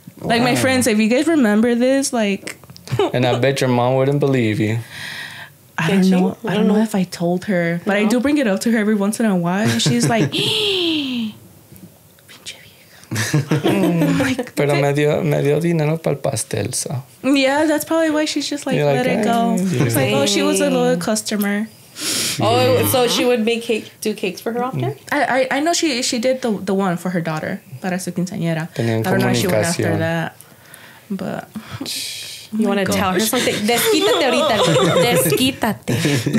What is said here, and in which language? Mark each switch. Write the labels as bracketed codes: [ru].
[en] Like, my friends, if you guys remember this, like. And I bet your mom wouldn't believe you. I don't know if I told her, but no. I do bring it up to her every once in a while. She's like, [es] like, pero me dio dinero para el pastel, so. [en] Yeah, that's probably why she's just like, you're let like, it go. It's like, oh, she was a loyal customer. Oh, so she would make cakes for her often? I know she did the one for her daughter, [es] para su quinceañera. [en] I don't know if she went after that. But you want to tell her something? [es] Desquítate ahorita. Desquítate.